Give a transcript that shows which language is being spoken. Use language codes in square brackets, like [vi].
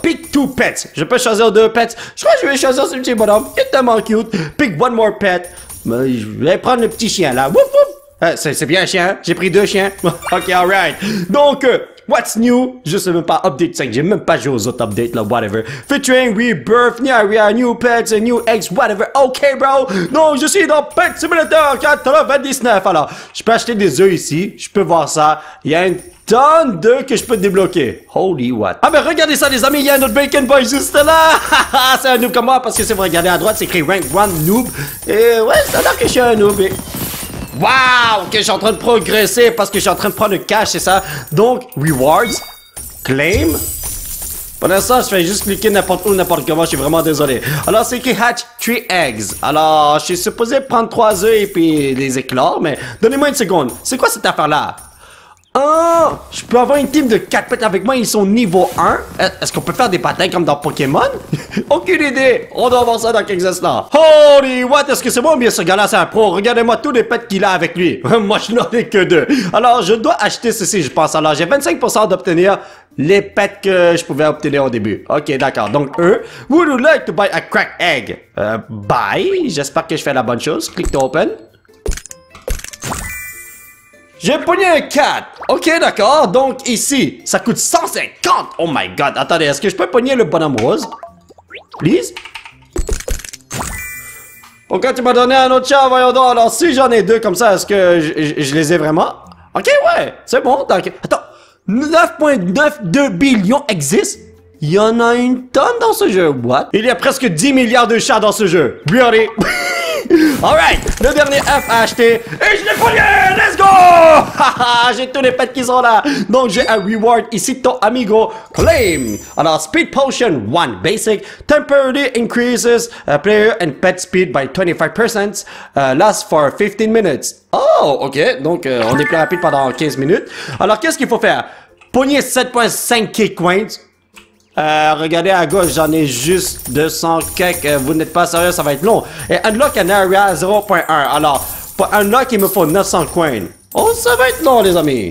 [en] Pick two pets, [fr] je peux choisir deux pets. Je crois que je vais choisir ce petit bonhomme, il est tellement cute. [en] Pick one more pet, [fr] je vais prendre le petit chien là, wouf wouf. C'est bien un chien, j'ai pris deux chiens. Ok, [en] alright, [fr] donc [en] what's new? [fr] Je sais même pas, update 5, j'ai même pas joué aux autres updates là, [en] whatever. Featuring Rebirth, Nyaria, new pets, and new eggs, whatever, ok bro. [fr] Non, je suis dans Pet Simulator 99, alors, je peux acheter des œufs ici, je peux voir ça, il y a une tonne d'œufs que je peux débloquer. [en] Holy what. [fr] Ah mais regardez ça les amis, il y a un autre bacon boy juste là. C'est un noob comme moi, parce que si vous regardez à droite, c'est écrit [en] rank 1 noob. [fr] Et ouais, ça a l'air que je suis un noob, et... Wow, ok, je suis en train de progresser parce que je suis en train de prendre le cash, c'est ça. Donc, rewards, claim. Pour l'instant, je fais juste cliquer n'importe où, n'importe comment, je suis vraiment désolé. Alors, c'est qui [en] hatch 3 eggs. [fr] Alors, je suis supposé prendre 3 œufs et puis les éclore, mais donnez-moi une seconde. C'est quoi cette affaire-là? Oh, je peux avoir une team de 4 pets avec moi, ils sont niveau 1. Est-ce qu'on peut faire des patins comme dans Pokémon? Aucune idée, on doit voir ça dans quelques instants. [en] Holy what, [fr] est-ce que c'est moi ou bien ce gars-là c'est un pro? Regardez-moi tous les pets qu'il a avec lui. Moi je n'en ai que deux. Alors je dois acheter ceci je pense. Alors j'ai 25% d'obtenir les pets que je pouvais obtenir au début. Ok d'accord, donc eux. [en] Would you like to buy a crack egg? [fr] Buy, j'espère que je fais la bonne chose. [en] Click to open. [fr] J'ai pogné un 4. Ok, d'accord. Donc, ici, ça coûte 150. [en] Oh my god. [fr] Attendez, est-ce que je peux pogner le bonhomme rose? [en] Please? [fr] Pourquoi tu m'as donné un autre chat? Voyons donc. Alors, si j'en ai deux comme ça, est-ce que je les ai vraiment? Ok, ouais. C'est bon. Donc, attends. 9,92 billions existent? Il y en a une tonne dans ce jeu. [en] What? [fr] Il y a presque 10 milliards de chats dans ce jeu. [en] Really? [fr] Alright, le dernier œuf à acheter et je l'ai pogné, [en] let's go. [fr] J'ai tous les pets qui sont là. Donc j'ai un reward ici, ton amigo claim. [en] Alors speed potion 1 basic, temporarily increases player and pet speed by 25%, lasts for 15 minutes. [fr] Oh ok, donc on est plus rapide pendant 15 minutes. Alors qu'est-ce qu'il faut faire? Pogner 7.5k coins. Regardez à gauche, j'en ai juste 200 quelques. Vous n'êtes pas sérieux, ça va être long. Et [en] unlock an area 0.1. [fr] Alors, pour unlock, il me faut 900 coins. Oh, ça va être long, les amis.